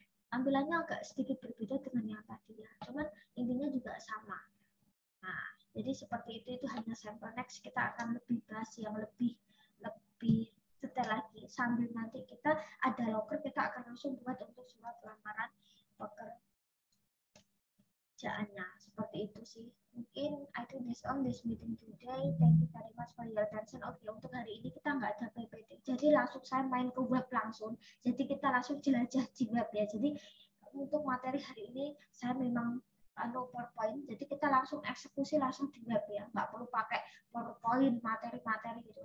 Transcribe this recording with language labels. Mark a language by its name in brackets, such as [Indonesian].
[Indonesian] Tampilannya agak sedikit berbeda dengan yang tadi ya. Cuman intinya juga sama. Nah, jadi seperti itu hanya sampel. Next kita akan lebih bahas yang lebih lebih detail lagi. Sambil nanti kita ada locker, kita akan langsung buat untuk surat lamaran pekerjaannya. Seperti itu sih. Mungkin [English] I think this on this meeting today. Thank you very much for your attention. [Indonesian] Oke, untuk hari ini kita nggak ada PPT. Jadi langsung saya main ke web langsung. Jadi kita langsung jelajah di web ya. Jadi untuk materi hari ini saya memang no PowerPoint. Jadi kita langsung eksekusi langsung di web ya. Nggak perlu pakai PowerPoint, materi-materi gitu.